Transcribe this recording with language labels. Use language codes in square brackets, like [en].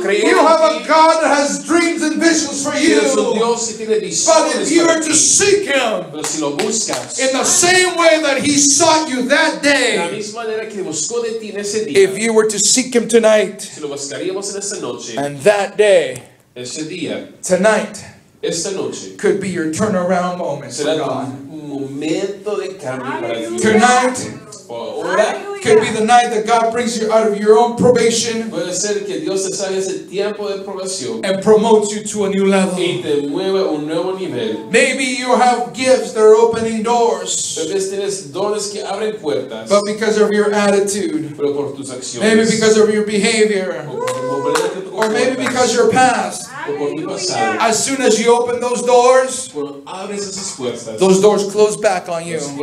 [en] You have a God that has dreams and visions for you. But if you are to seek Him in the same way that He sought you that day, if you were to seek Him tonight and that day, tonight, [es] esta noche, [en] could be your turnaround moment for God. [es] Momento de cambio para Dios. [en] Tonight, hallelujah, could be the night that God brings you out of your own probation, [es] puede ser que Dios te salga ese tiempo de probación, [en] and promotes you to a new level. [es] Y te mueve un nuevo nivel. [en] Maybe you have gifts that are opening doors, [es] tal vez tienes dones que abren puertas, [en] but because of your attitude, [es] pero por tus acciones, [en] maybe because of your behavior, or maybe because your past, as soon as you open those doors, those doors close back on you.